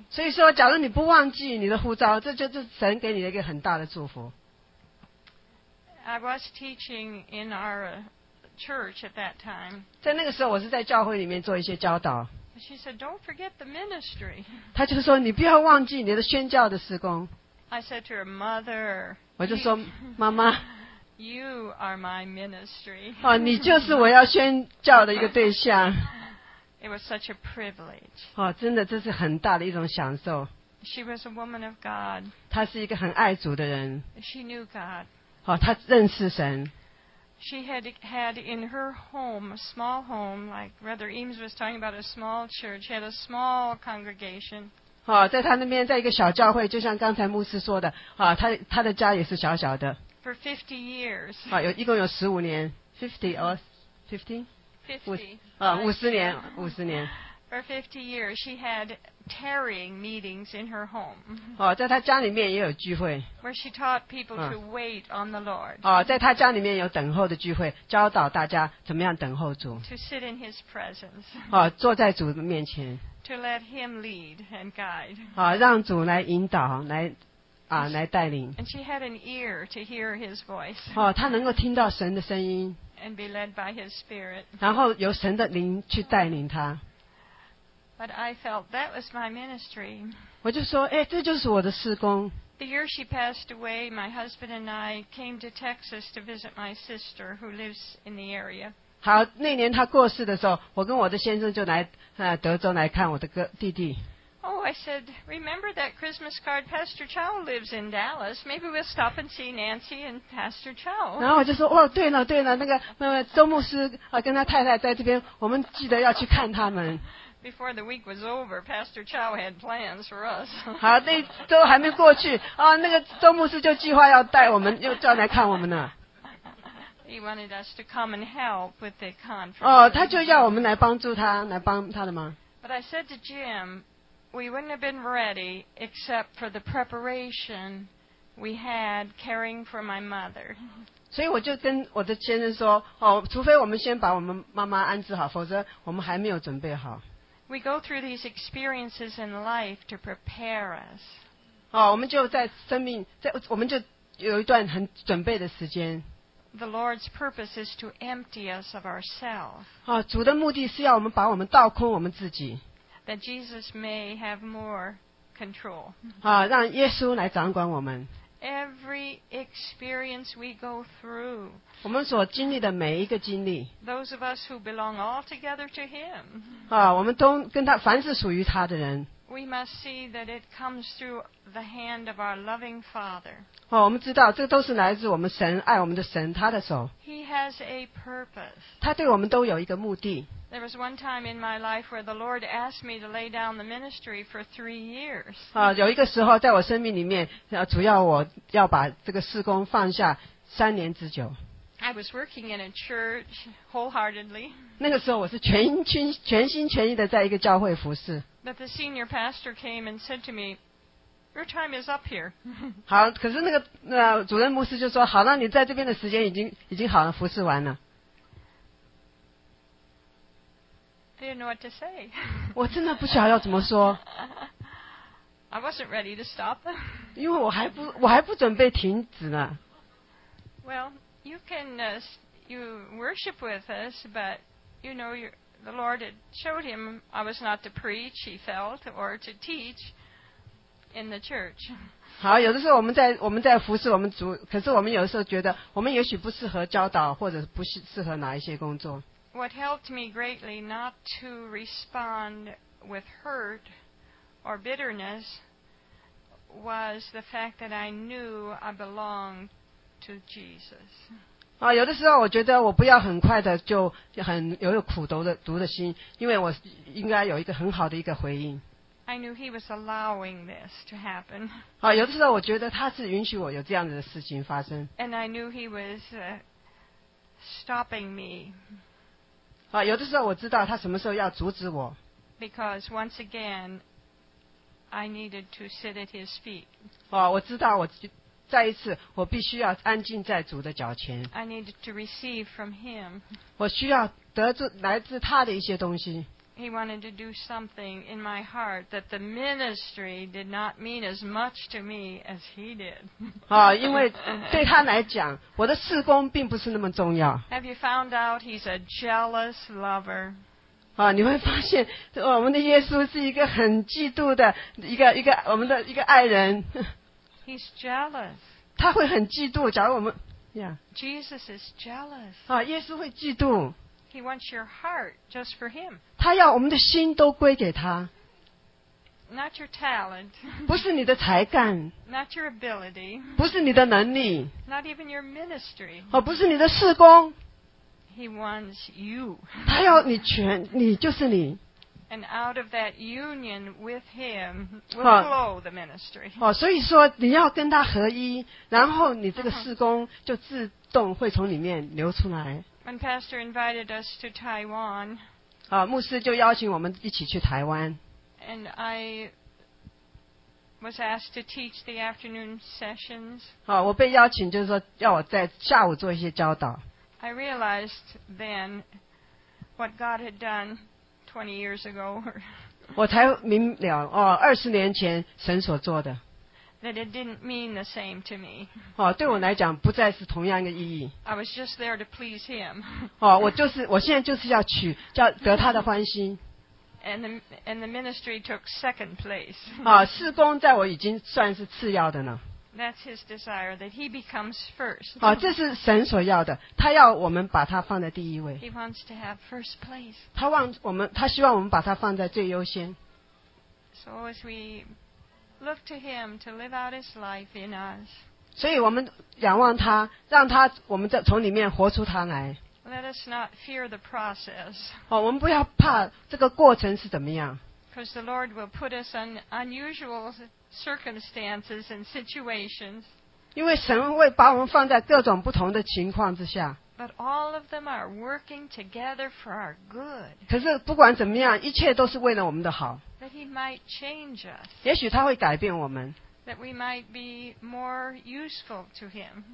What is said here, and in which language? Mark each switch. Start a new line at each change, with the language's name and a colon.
Chinese: 所以说假如你不忘记你的护照，这就是神给你的一个很大的祝福。
English: I was teaching in our church at that time.
Chinese: 在那个时候我是在教会里面做一些教导。
English: She said, don't forget the ministry.
Chinese: 他就说你不要忘记你的宣教的事工。
English: I said to her, mother.
Chinese: 我就说妈妈。
English: You are my ministry.
Chinese: 哦，你就是我要宣教的一个对象。
English: It was such a privilege.
Chinese: 哦，真的，这是很大的一种享受。
English: She was a woman of God.
Chinese: 她是一个很爱主的人。
English: She knew God.
Chinese: 哦，她认识神。
English: She had in her home, a small home, like Brother Eames was talking about, a small church. She had a small congregation.
Chinese: 哦，在她那边，在一个小教会，就像刚才牧师说的，啊，她的家也是小小的。
English: For 50 years.
Chinese: 啊，有一共有十五年 ，
English: 50 or 15? 50.
Chinese: 啊，五十年。
English: For 50 years, she had tarrying meetings in her home.
Chinese: 哦，在她家里面也有聚会。
English: Where she taught people to wait on the Lord.
Chinese: 哦，在她家里面有等候的聚会，教导大家怎么样等候主。
English: To sit in His presence.
Chinese: 哦，坐在主的面前。
English: To let Him lead and guide.
Chinese: 啊，让主来引导来。啊，来带领。
English: And she had an ear to hear his voice.
Chinese: 哦，她能够听到神的声音。
English: And be led by his spirit.
Chinese: 然后由神的灵去带领她。
English: But I felt that was my ministry.
Chinese: 我就说，哎，这就是我的事工。
English: The year she passed away, my husband and I came to Texas to visit my sister who lives in the area.
Chinese: 好，那年她过世的时候，我跟我的先生就来德州来看我的哥弟弟。
English: Oh, I said, remember that Christmas card? Pastor Chow lives in Dallas. Maybe we'll stop and see Nancy and Pastor Chow.
Chinese: 然后我就说，哦，对了，对了，那个周牧师啊，跟他太太在这边，我们记得要去看他们。
English: Before the week was over, Pastor Chow had plans for us.
Chinese: 好，那周还没过去啊，那个周牧师就计划要带我们，又叫来看我们呢。
English: He wanted us to come and help with the conference.
Chinese: 哦，他就要我们来帮助他，来帮他的吗
English: ？But I said to Jim. We wouldn't have been ready except for the preparation we had caring for my mother.
Chinese: 所以我就跟我的先生说，哦，除非我们先把我们妈妈安置好，否则我们还没有准备好。
English: We go through these experiences in life to prepare us.
Chinese: 哦，我们就在生命，在我们就有一段很准备的时间。
English: The Lord's purpose is to empty us of ourselves.
Chinese: 哦，主的目的是要我们把我们倒空我们自己。
English: That Jesus may have more control.
Chinese: 啊，让耶稣来掌管我们。
English: Every experience we go through.
Chinese: 我们所经历的每一个经历。
English: Those of us who belong altogether to Him.
Chinese: 啊，我们都跟他，凡是属于他的人。
English: We must see that it comes through the hand of our loving Father.
Chinese: 哦，我们知道，这都是来自我们神爱我们的神他的手。
English: He has a purpose.
Chinese: 他对我们都有一个目的。
English: There was one time in my life where the Lord asked me to lay down the ministry for 3 years.
Chinese: 啊，有一个时候在我生命里面，主要我要把这个事工放下三年之久。
English: I was working in a church wholeheartedly.
Chinese: 那个时候我是全心全意的在一个教会服事。
English: But the senior pastor came and said to me, Your time is up here.
Chinese: 好，可是那个主任牧师就说，好，那你在这边的时间已经好了，服侍完了。
English: I didn't know what to say.
Chinese: 我真的不晓得要怎么说。
English: I wasn't ready to stop.
Chinese: 因为我还不准备停止呢。
English: Well, you can you worship with us, but you know the Lord had showed him I was not to preach, he felt, or to teach in the church.
Chinese: 好，有的时候我们在服侍我们主，可是我们有的时候觉得我们也许不适合教导，或者不适合哪一些工作。
English: What helped me greatly not to respond with hurt or bitterness was the fact that I knew I belonged to Jesus.
Chinese: 啊，有的时候我觉得我不要很快的就很有苦毒的心，因为我应该有一个很好的一个回应。
English: I knew he was allowing this to happen.
Chinese: 啊，有的时候我觉得他是允许我有这样的事情发生。
English: And I knew he was stopping me.
Chinese: 啊，有的时候我知道他什么时候要阻止我。
English: Because once again, I needed to sit at his feet.
Chinese: 哦，我知道我再一次我必须要安静在主的脚前。
English: I needed to receive from him.
Chinese: 我需要得着来自他的一些东西。
English: He wanted to do something in my heart that the ministry did not mean as much to me as he did.
Chinese: 啊，因为对他来讲，我的事工并不是那么重要。
English: Have you found out he's a jealous lover?
Chinese: 啊，你会发现，我们的耶稣是一个很嫉妒的一个我们的一个爱人。
English: He's jealous.
Chinese: 他会很嫉妒，假如我们
English: Jesus is jealous.
Chinese: 啊，耶稣会嫉妒。
English: He wants your heart just for him.
Chinese: 他要我们的心都归给他。
English: Not your talent.
Chinese: 不是你的才干。
English: Not your ability.
Chinese: 不是你的能力。
English: Not even your ministry.
Chinese: 哦，不是你的事工。
English: He wants you.
Chinese: 他要你全，你就是你。
English: And out of that union with him will flow the ministry.
Chinese: 哦，所以说你要跟他合一，然后你这个事工就自动会从里面流出来。
English: When Pastor invited us to Taiwan,
Chinese: 啊，牧师就邀请我们一起去台湾。
English: And I was asked to teach the afternoon sessions.
Chinese: 啊，我被邀请就是说要我在下午做一些教导。
English: I realized then what God had done 20 years ago.
Chinese: 我才明了哦，二十年前神所做的。
English: That it didn't mean the same to me.
Chinese: 哦，对我来讲不再是同样的意义。
English: I was just there to please him.
Chinese: 哦，我现在就是要取，要得他的欢心。
English: And the ministry took second place.
Chinese: 哦，事工在我已经算是次要的呢。
English: That's his desire, that he becomes first.
Chinese: 哦，这是神所要的，他要我们把他放在第一位。
English: He wants to have first place.
Chinese: 他希望我们把他放在最优先。
English: So as we look to him to live out his life in us.
Chinese: 所以我们仰望他，让他我们在从里面活出他来。
English: Let us not fear the process.
Chinese: 哦，我们不要怕这个过程是怎么样。
English: Because the Lord will put us in unusual circumstances and situations.
Chinese: 因为神会把我们放在各种不同的情况之下。
English: But all of them are working together for our good.
Chinese: 可是不管怎么样，一切都是为了我们的好。
English: That he might change us.
Chinese: 也许他会改变我们。
English: That we might be more useful to him.